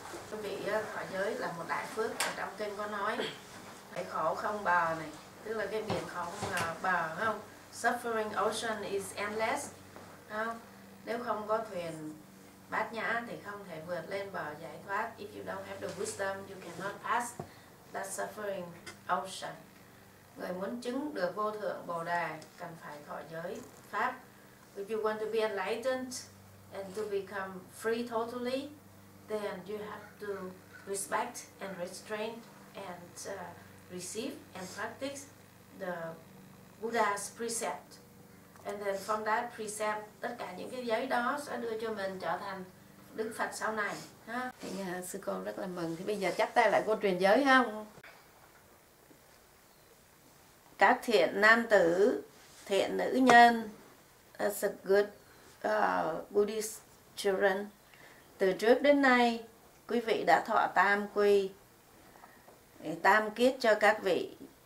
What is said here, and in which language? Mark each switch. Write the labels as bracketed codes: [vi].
[vi] Quý vị, thọ giới là một đại phước, trong kinh có nói phải khổ không bờ này, tức là cái biển khổ không bờ, không [en] suffering ocean is endless, [vi] không? Nếu không có thuyền bát nhã thì không thể vượt lên bờ giải thoát. [en] If you don't have the wisdom, you cannot pass the suffering ocean. [vi] Người muốn chứng được vô thượng bồ đề cần phải thọ giới pháp. [en] If you want to be enlightened and to become free totally, then you have to respect and restrain and receive and practice the Buddha's precept. And then from that precept, [vi] tất cả những cái giấy đó sẽ đưa cho mình trở thành Đức Phật sau này. Thì sư cô rất là mừng. Thì bây giờ chắp tay lại cô truyền giới không? Các thiện nam tử, thiện nữ nhân, [en] as a good Buddhist children, [vi] từ trước đến nay, quý vị đã thọ tam quy, tam kiết cho các vị.